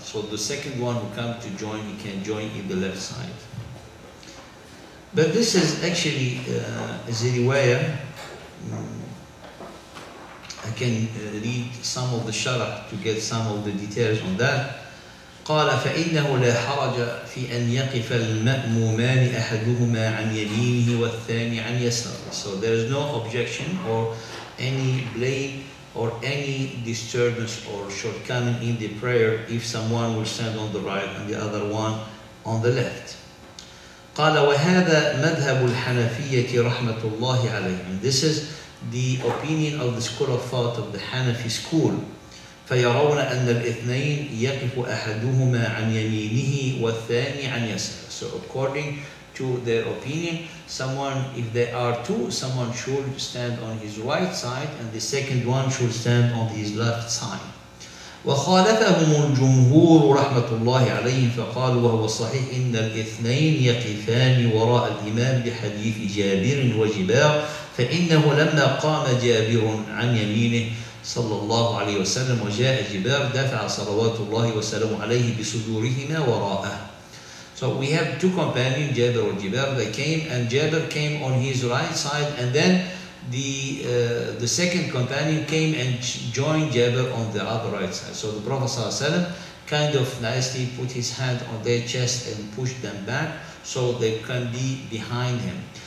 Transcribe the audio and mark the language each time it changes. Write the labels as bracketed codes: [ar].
[en] So the second one who comes to join, he can join in the left side. But this is actually a riwayah. I can read some of the sharah to get some of the details on that. [ar] قال فإنه لا حرج في أن يقف المأمومان أحدهما عن يمينه والثاني عن يساره. [en] So there is no objection or any blame or any disturbance or shortcoming in the prayer if someone will stand on the right and the other one on the left. [ar] قال وهذا مذهب الحنفية رحمة الله عليهم. [en] This is the opinion of the school of thought of the Hanafi school. [ar] فَيَرَوْنَ أَنَّ الْإِثْنَيْنِ يَقِفُ أَحَدُهُمَا عَنْ يَمِينِهِ وَالثَّانِي عَنْ يَسَرِ. [en] So according to their opinion, someone, if there are two, someone should stand on his right side and the second one should stand on his left side. [ar] وَخَالَفَهُمُ الْجُمْهُورُ رَحْمَةُ اللَّهِ عَلَيْهِمْ فَقَالُوا وَهُوَ صَحِيحٌ إِنَّ الْإِثْنَيْنِ يَقِفَانِ وَرَاءَ الْإِمَامِ بِحَدِيثِ جَابِرٍ وَجِبَارٍ فَإِنَّهُ لَمَّا قَامَ جَابِرٌ عَنْ يَمِينِهِ. صلى الله عليه وسلم وجاء جبار دفع صلوات الله وسلم عليه بصدورهما وراءه. [en] So we have two companions, Jabir and Jibar. They came, and Jabir came on his right side, and then the second companion came and joined Jabir on the other right side. So the Prophet sallallahu alaihi wasallam kind of nicely put his hand on their chest and pushed them back so they can be behind him.